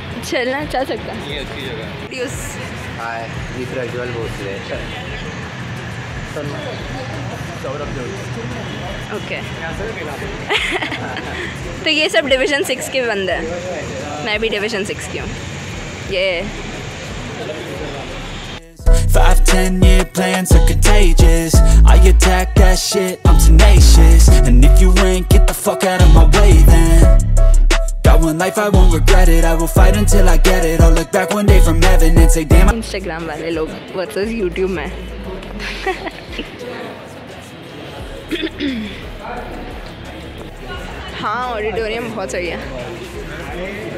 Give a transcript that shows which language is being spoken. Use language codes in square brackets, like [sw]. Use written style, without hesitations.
[hi] चलना चल सकता ये अच्छी जगह। [en] Yes. [mr] हाय, मी प्रज्वल भोसले। [en] Okay. [hi] तो ये सब डिवीजन 6 के बंदे हैं। मैं भी डिवीजन 6 की हूँ। [en] ये 5-10 year plans are contagious. I attack that shit, I'm tenacious. And if you ain't get the fuck out of my way then. Got one life, I won't regret it. I will fight until I get it. I'll look back one day from heaven and say damn. [hi] Instagram वाले लोग versus YouTube में। हाँ auditorium बहुत सही है।